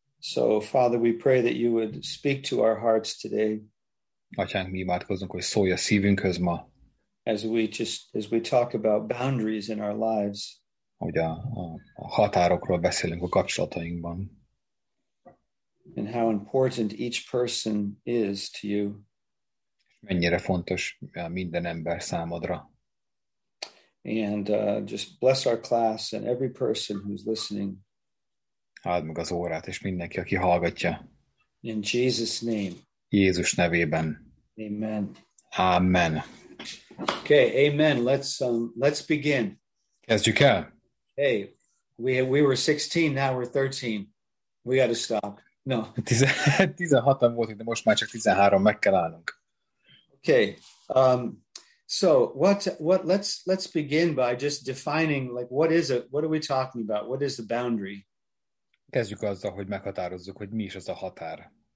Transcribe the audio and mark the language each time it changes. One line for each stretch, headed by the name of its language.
English: So, Father, we pray that you would speak to our hearts today.
Hungarian: Atyánk, mi imádkozunk, hogy szólj a szívünkhöz ma.
English: As we talk about boundaries in our lives.
Hungarian: Hogy a határokról beszélünk a kapcsolatainkban.
English: and how important each person is to you.
Hungarian: Mennyire fontos minden ember számodra.
English: And just bless our class and every person who's listening.
Hungarian: Áld meg az órát és mindenki, aki hallgatja.
English: In Jesus' name.
Hungarian: Jézus nevében.
English: Amen. Amen. Okay, amen. Let's begin.
Hungarian: Kezdjük el.
English: Hey, we were 16, now we're 13. We got to stop. No.
Hungarian: 16-an voltunk, de most már csak 13, meg kell állnunk.
English: Okay. So let's begin by just defining like what are we talking about? What is the boundary?
Hungarian: Kezdjük azzal, hogy meghatározzuk, hogy mi is az a határ.